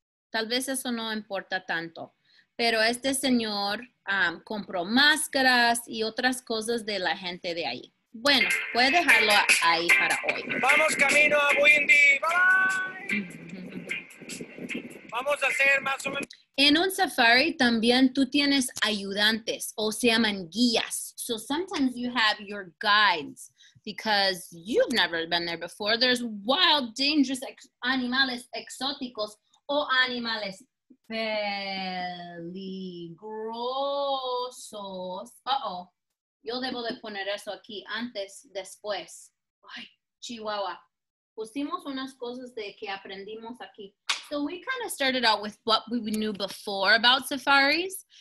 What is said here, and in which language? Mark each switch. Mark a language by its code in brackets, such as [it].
[es] Tal vez eso no importa tanto. Pero este señor compró máscaras y otras cosas de la gente de ahí. Bueno, puede dejarlo ahí para hoy. Vamos camino a Windy. [en] Bye, bye. [es] Vamos a hacer más o menos. En un safari también tú tienes ayudantes o se llaman guías. [en] So sometimes you have your guides because you've never been there before. There's wild, dangerous [es] animales exóticos o animales peligrosos. Uh-oh. Yo debo de poner eso aquí, antes, después. Ay, Chihuahua. Pusimos unas cosas de que aprendimos aquí. [en] So we kind of started out with what we knew before about safaris.